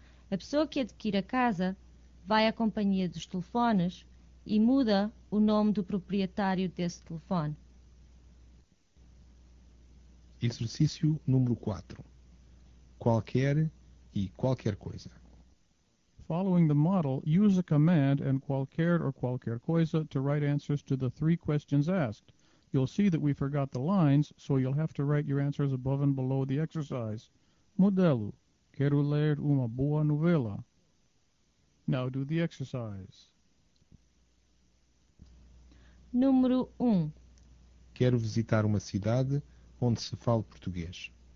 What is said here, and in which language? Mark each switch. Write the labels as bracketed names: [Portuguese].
[Portuguese] A pessoa que adquire a casa vai à companhia dos telefones e muda o nome do proprietário desse telefone. Exercício número 4. Qualquer e qualquer coisa. [English] Following the model, use a command and qualquer or qualquer coisa to write answers to the three questions asked. You'll see that we forgot the lines, so you'll have to write your answers above and below the exercise. [Portuguese] Modelo. Quero ler uma boa novela. [English] Now do the exercise. [Portuguese] Número 1. Quero visitar uma cidade onde se fala português.